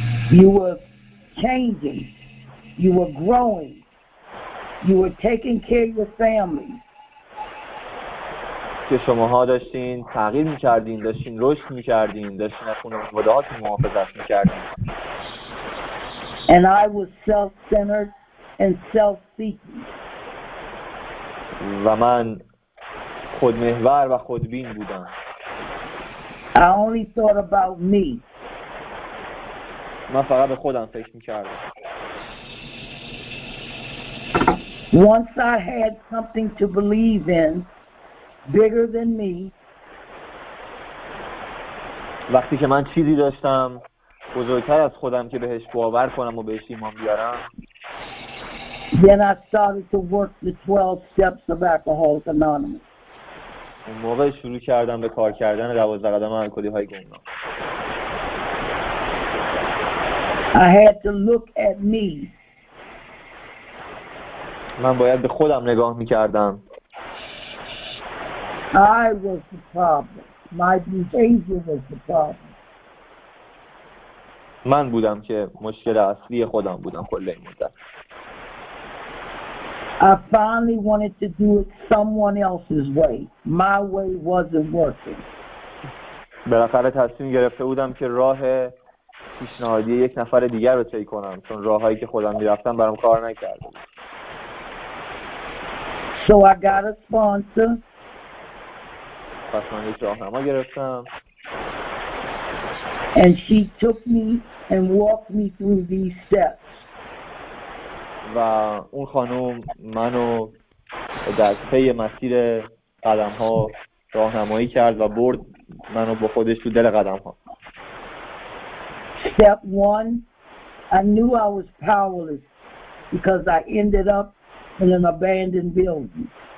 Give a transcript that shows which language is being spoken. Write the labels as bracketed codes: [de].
[en] You were changing. You were growing. You were taking care of your family. [fa] که شماها داشتین تغییر می‌کردین، داشتین رشد می‌کردین، داشتین خانواده‌هاتون محافظت می‌کردین. [en] And I was self-centered and self-seeking. [fa] و من خودمحور و خودبین بودم. [en] I only thought about me. [fa] من فقط به خودم فکر می‌کردم. [en] Once I had something to believe in, bigger than me. [fa] وقتی که من چیزی داشتم بزرگتر از خودم که بهش باور کنم و بهش ایمان بیارم. [en] Then I started to work the 12 steps of Alcoholics Anonymous. [fa] اون موقع شروع کردم به کار کردن 12 قدم الکلی‌های گمنام. [en] I had to look at me. [fa] من باید به خودم نگاه می‌کردم. [en] I was the problem. My behavior was the problem. [fa] من بودم که مشکل اصلی خودم بودم کل این مدت. [en] I finally wanted to do it someone else's way. My way wasn't working. [fa] بالاخره تصمیم گرفته بودم که راه پیشنهادی یک نفر دیگر رو طی کنم چون راهایی که خودم می‌رفتم برام کار نکرد. [en] So I got a sponsor. [fa] پس من یک راهنما گرفتم. [en] And she took me and walked me through these steps. [fa] و اون خانم منو در طی مسیر قدم ها راهنمایی کرد و برد منو با خودش تو دل قدم ها. [en] Step one, I knew I was powerless because I ended up in an abandoned building.